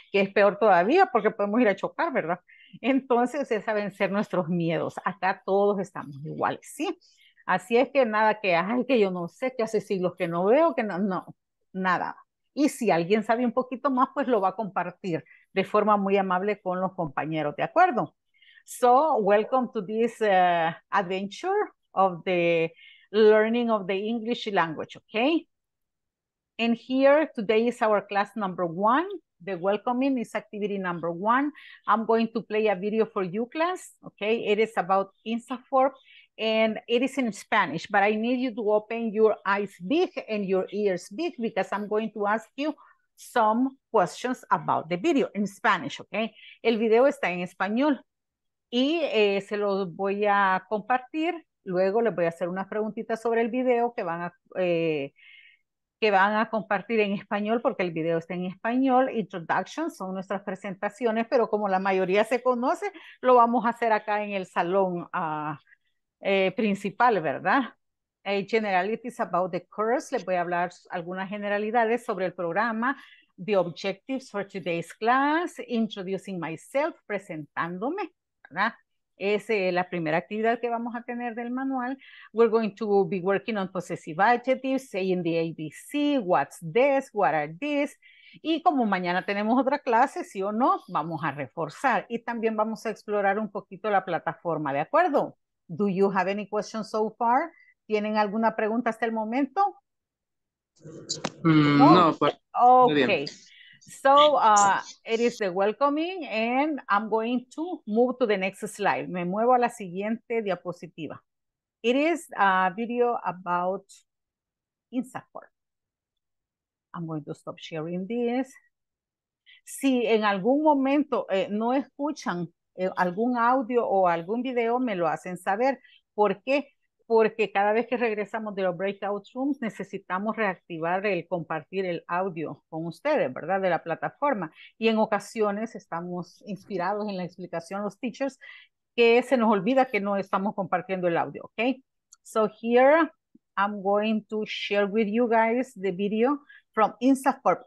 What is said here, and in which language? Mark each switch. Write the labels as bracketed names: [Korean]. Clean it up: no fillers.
[Spanish] Que es peor todavía porque podemos ir a chocar, ¿verdad? Entonces, es a vencer nuestros miedos. Acá todos estamos iguales, ¿sí? Así es que nada que, ay, que yo no sé, que hace siglos que no veo, que no, no, nada. Y si alguien sabe un poquito más, pues lo va a compartir de forma muy amable con los compañeros, ¿de acuerdo? [English] So, welcome to this adventure of the learning of the English language, okay? And here, today is our class number one. The welcoming is activity number one. I'm going to play a video for you, class. Okay, it is about INSAFORP, and it is in Spanish, but I need you to open your eyes big and your ears big because I'm going to ask you some questions about the video in Spanish, okay? [Spanish] El video está en español y se los voy a compartir. Luego les voy a hacer una preguntita sobre el video que van a... que van a compartir en español, porque el video está en español. Introduction, son nuestras presentaciones, pero como la mayoría se conoce, lo vamos a hacer acá en el salón principal, ¿verdad? [English] Generalities about the course, [Spanish] les voy a hablar algunas generalidades sobre el programa, [English] the objectives for today's class, introducing myself, [Spanish] presentándome, ¿verdad? Es la primera actividad que vamos a tener del manual. [English] We're going to be working on possessive adjectives, saying the ABC, what's this, what are these. [Spanish] Y como mañana tenemos otra clase, sí o no, vamos a reforzar. Y también vamos a explorar un poquito la plataforma, ¿de acuerdo? [English] Do you have any questions so far? [Spanish] ¿Tienen alguna pregunta hasta el momento? No. [English] Okay. So it is the welcoming, and I'm going to move to the next slide. [Spanish] Me muevo a la siguiente diapositiva. [English] It is a video about INSAFORP. I'm going to stop sharing this. [Spanish] Si en algún momento no escuchan algún audio o algún video, me lo hacen saber. ¿Por qué? Porque cada vez que regresamos de los breakout rooms, necesitamos reactivar el compartir el audio con ustedes, ¿verdad? De la plataforma. Y en ocasiones estamos inspirados en la explicación, los teachers, que se nos olvida que no estamos compartiendo el audio, ¿ok? [English] So here, I'm going to share with you guys the video from INSAFORP.